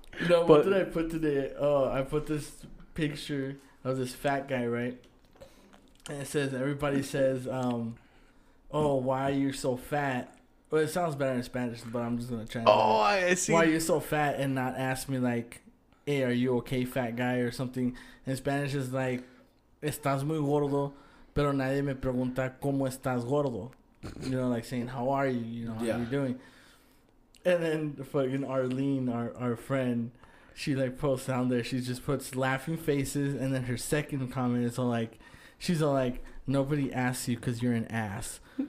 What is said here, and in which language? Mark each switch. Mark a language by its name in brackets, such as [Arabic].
[English] No, but what did I put today? Oh, I put this picture of this fat guy, right? And it says, everybody says, "Oh, why are you so fat?" Well, it sounds better in Spanish, but I'm just going to try. Oh, I see. "Why are you so fat?" And not ask me, like, "Hey, are you okay, fat guy?" or something. In Spanish, it's like, [Spanish] "Estás muy gordo, pero nadie me pregunta cómo estás gordo." [English] You know, like saying, "How are you? You know, how are you doing?" And then fucking Arlene, our friend, she like posts down there. She just puts laughing faces. And then her second comment is all like, she's all like, "Nobody asks you because you're an ass."